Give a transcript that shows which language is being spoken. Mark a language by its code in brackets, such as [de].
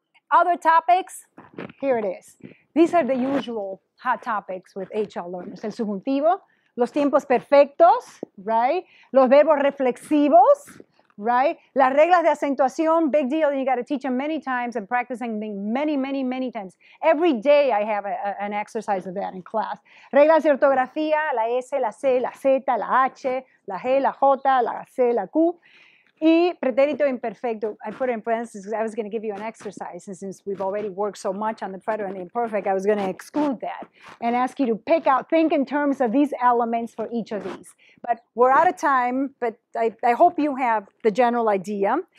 [en] Other topics, here it is. These are the usual hot topics with HL learners. [es] El subjuntivo, los tiempos perfectos, right? Los verbos reflexivos, right? Las reglas de acentuación, [en] big deal. You got to teach them many times and practicing them many, many, many times. Every day I have an exercise of that in class. [es] Reglas de ortografía, la S, la C, la Z, la H, la G, la J, la C, la Q. Y pretérito imperfecto, [en] I put it in parentheses because I was going to give you an exercise. And since we've already worked so much on the preterite and the imperfect, I was going to exclude that and ask you to pick out, think in terms of these elements for each of these. But we're out of time, but I hope you have the general idea.